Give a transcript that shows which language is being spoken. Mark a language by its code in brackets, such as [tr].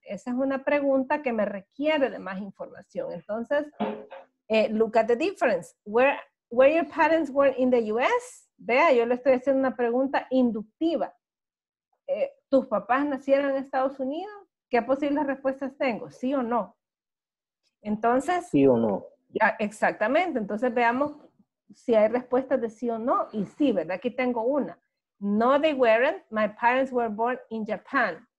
[es] Esa es una pregunta que me requiere de más información. [en] Entonces, look at the difference. Where your parents were in the U.S.? [es] Vea, yo le estoy haciendo una pregunta inductiva. ¿Tus papás nacieron en Estados Unidos? ¿Qué posibles respuestas tengo? ¿Sí o no? Entonces. Sí o no. Ya, exactamente. Entonces veamos si hay respuestas de sí o no. Y sí, ¿verdad? Aquí tengo una. [en] No, they weren't. My parents were born in Japan.